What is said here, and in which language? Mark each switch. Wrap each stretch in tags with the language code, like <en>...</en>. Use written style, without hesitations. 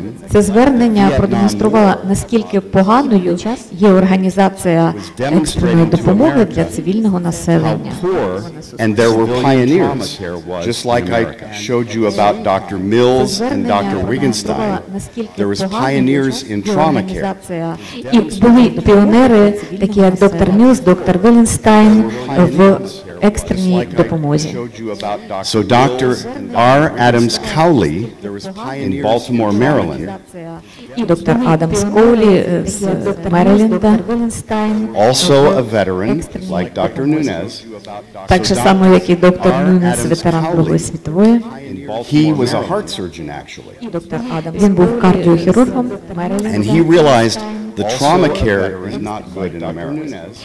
<uk>Це звернення продемонструвало, наскільки поганою є організація екстреної допомоги для цивільного населення.</uk> <en>And there were pioneers, just like I showed you about Dr. Mills and Dr. Wiegenstein. There was pioneers in trauma care.</en> <uk>І були піонери, такі як Dr. Mills, Dr. Wiegenstein, в екстреній допомозі.</uk> <en>So Dr. R. Adams Cowley in Baltimore, Maryland,</en> <uk>і Dr. Adams Cowley з Мерилінда,</uk> <en>also a veteran like Dr. Nunes,</en> <uk>так же само, як і Dr. Nunes, ветеран Другої світової.</uk> <en>He was a heart surgeon actually. Dr.</en> <uk>Adams, він був кардіохірургом в Мерилінді.</uk> <en>And he realized the trauma care is not good in America.</en>